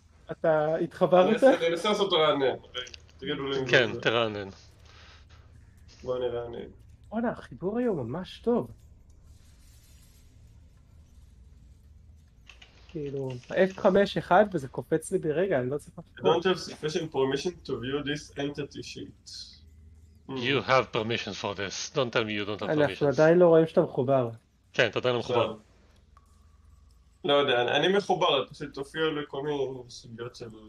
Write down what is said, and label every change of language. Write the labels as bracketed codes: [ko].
[he] אתה התחבר איתך? אני אנסה לעשות רענן. כן, תרענן. בוא נרענן. וואלה, החיבור היום ממש טוב. כאילו, F5-1 וזה קופץ לי ברגע, אני לא צריך... [en] I don't have sufficient permission to view this entity sheet. You have permissions for this. Don't tell me you don't have permissions. [he] אנחנו עדיין לא רואים שאתה מחובר. כן, אתה עדיין לא מחובר. לא יודע, אני מחובר, אתה פשוט תופיע לכל מיני סוגיות של